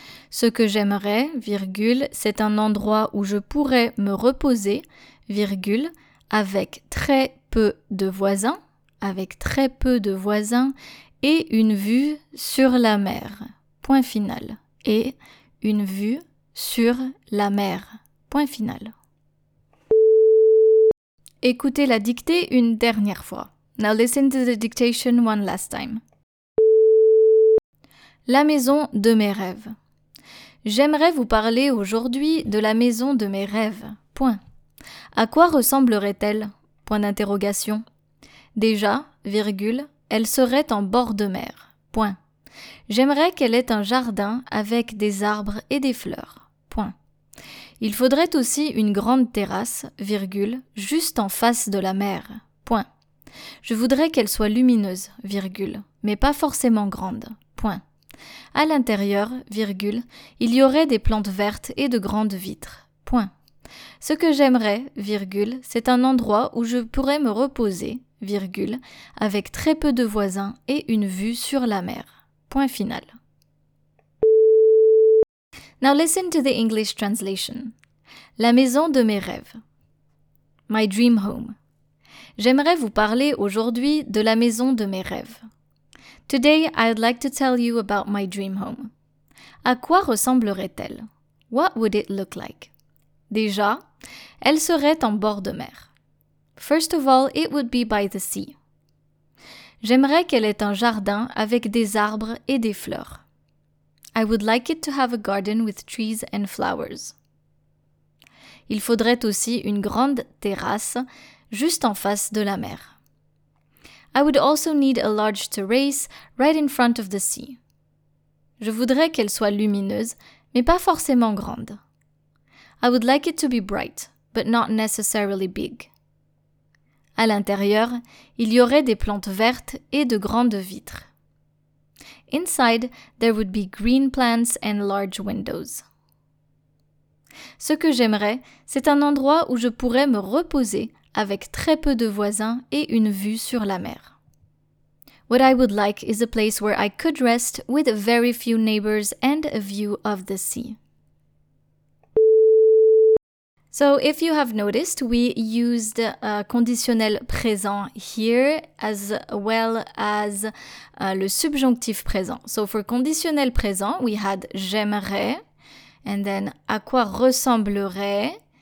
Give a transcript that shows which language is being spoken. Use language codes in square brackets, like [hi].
[fr] Ce que j'aimerais, virgule, c'est un endroit où je pourrais me reposer, virgule, avec très peu de voisins, avec très peu de voisins et une vue sur la mer. Point final. Et une vue sur la mer. Point final. Écoutez la dictée une dernière fois. [en] Now listen to the dictation one last time. [fr] La maison de mes rêves. J'aimerais vous parler aujourd'hui de la maison de mes rêves. Point. À quoi ressemblerait-elle? Point d'interrogation. Déjà, virgule, elle serait en bord de mer. Point. J'aimerais qu'elle ait un jardin avec des arbres et des fleurs. Point. Il faudrait aussi une grande terrasse, virgule, juste en face de la mer. Point. Je voudrais qu'elle soit lumineuse, virgule, mais pas forcément grande. Point. À l'intérieur, virgule, il y aurait des plantes vertes et de grandes vitres. Point. Ce que j'aimerais, virgule, c'est un endroit où je pourrais me reposer, virgule, avec très peu de voisins et une vue sur la mer. Point final. [en] Now listen to the English translation. [fr] La maison de mes rêves. [en] My dream home. [fr] J'aimerais vous parler aujourd'hui de la maison de mes rêves. [en] Today, I'd like to tell you about my dream home. [fr] À quoi ressemblerait-elle? [en] What would it look like? [fr] Déjà, elle serait en bord de mer. [en] First of all, it would be by the sea. [fr] J'aimerais qu'elle ait un jardin avec des arbres et des fleurs. [en] I would like it to have a garden with trees and flowers. [fr] Il faudrait aussi une grande terrasse juste en face de la mer. [en] I would also need a large terrace right in front of the sea. [fr] Je voudrais qu'elle soit lumineuse, mais pas forcément grande. [en] I would like it to be bright, but not necessarily big. [fr] À l'intérieur, il y aurait des plantes vertes et de grandes vitres. [en] Inside, there would be green plants and large windows. [fr] Ce que j'aimerais, c'est un endroit où je pourrais me reposer avec très peu de voisins et une vue sur la mer. [en] What I would like is a place where I could rest with very few neighbors and a view of the sea. So if you have noticed, we used a conditionnel présent here as well as le subjonctif présent. So for conditionnel présent, we had j'aimerais and then [fr] à quoi ressemblerait.